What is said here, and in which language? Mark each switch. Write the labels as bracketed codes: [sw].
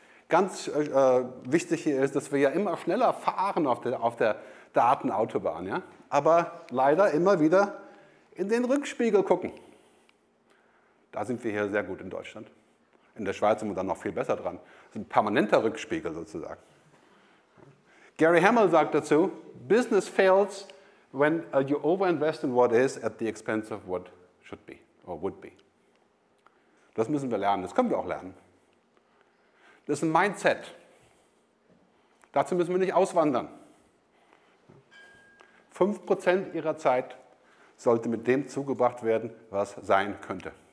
[de] Ganz wichtig hier ist, dass wir ja immer schneller fahren auf der Datenautobahn, ja? Aber leider immer wieder in den Rückspiegel gucken. Da sind wir hier sehr gut in Deutschland. In der Schweiz sind wir dann noch viel besser dran. Das ist ein permanenter Rückspiegel sozusagen. [en] Gary Hamel [de] sagt dazu, [en] Business fails when you overinvest in what is at the expense of what should be or would be. [de] Das müssen wir lernen, das können wir auch lernen. Das ist ein Mindset. Dazu müssen wir nicht auswandern. 5% Ihrer Zeit sollte mit dem zugebracht werden, was sein könnte.